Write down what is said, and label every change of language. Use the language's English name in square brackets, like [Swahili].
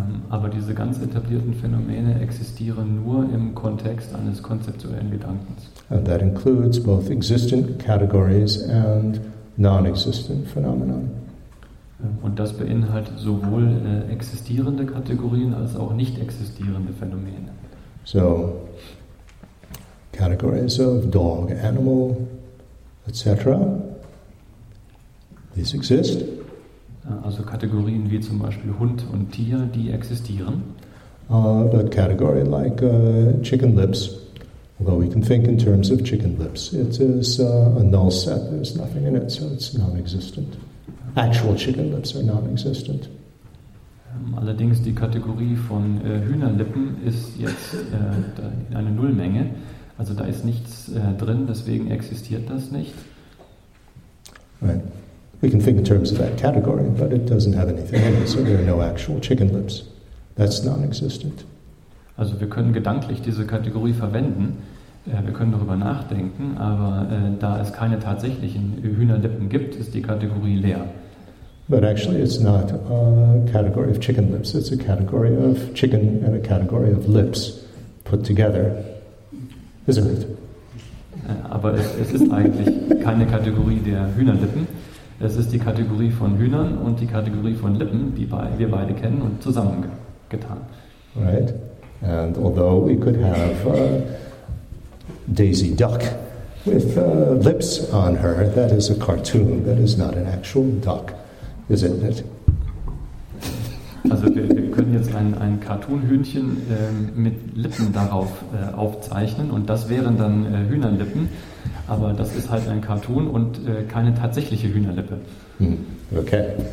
[German] Aber diese ganz etablierten Phänomene existieren nur im Kontext eines konzeptuellen Gedankens. [English] And that includes both existent categories and non-existent phenomena. [German] Und das beinhaltet sowohl existierende Kategorien als auch nicht existierende Phänomene. [English] So, categories of dog, animal, etc. These exist. [German] Also Kategorien wie zum Beispiel Hund und Tier, die existieren. [English] But category like chicken lips, although we can think in terms of chicken lips, it is a null set. There's nothing in it, so it's non-existent. Actual chicken lips are non-existent. [German] Allerdings die Kategorie von Hühnerlippen ist jetzt eine Nullmenge. Also da ist nichts drin, deswegen existiert das nicht. [English] Right. We can think in terms of that category, but it doesn't have anything in it, so there are no actual chicken lips. That's non-existent. [German] Also wir können gedanklich diese Kategorie verwenden, wir können darüber nachdenken, aber da es keine tatsächlichen Hühnerlippen gibt, ist die Kategorie leer. [English] But actually it's not a category of chicken lips, it's a category of chicken and a category of lips put together, isn't it? [German] Aber es ist eigentlich keine Kategorie der Hühnerlippen. Es ist die Kategorie von Hühnern und die Kategorie von Lippen, die wir beide kennen und zusammengetan. [English] Right. And although we could have Daisy Duck with lips on her, that is a cartoon, that is not an actual duck, isn't it? [German] Also wir können jetzt ein Cartoon-Hühnchen mit Lippen darauf aufzeichnen und das wären dann Hühnerlippen, aber das ist halt ein Cartoon und keine tatsächliche Hühnerlippe. [English] Okay.